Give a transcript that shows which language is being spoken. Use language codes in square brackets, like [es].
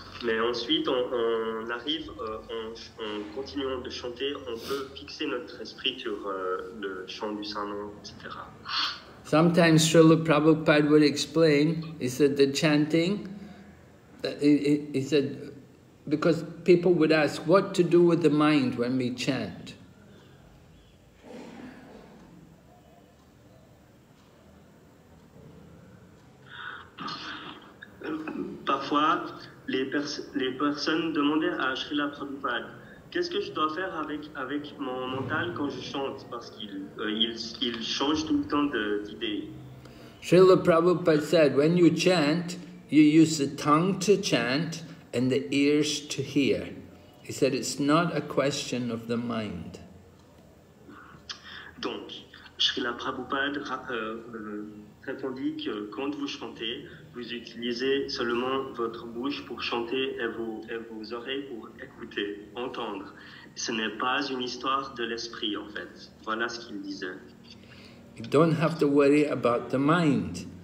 [fr] Mais ensuite, on arrive, en continuant de chanter, on peut fixer notre esprit sur le chant du Saint-Nom, etc. [en] Sometimes Srila Prabhupada would explain, he said the chanting, he said, because people would ask what to do with the mind when we chant. [fr] Parfois, les personnes demandaient à Srila Prabhupada, qu'est-ce que je dois faire avec mon mental quand je chante, parce qu'il change tout le temps d'idées. [en] Srila Prabhupada said, when you chant, you use the tongue to chant and the ears to hear. He said, it's not a question of the mind. [fr] Donc, Srila Prabhupada répondit que quand vous chantez, vous utilisez seulement votre bouche pour chanter et vos oreilles pour écouter, entendre. Ce n'est pas une histoire de l'esprit, en fait. Voilà ce qu'il disait. [en] You don't have to worry about the mind.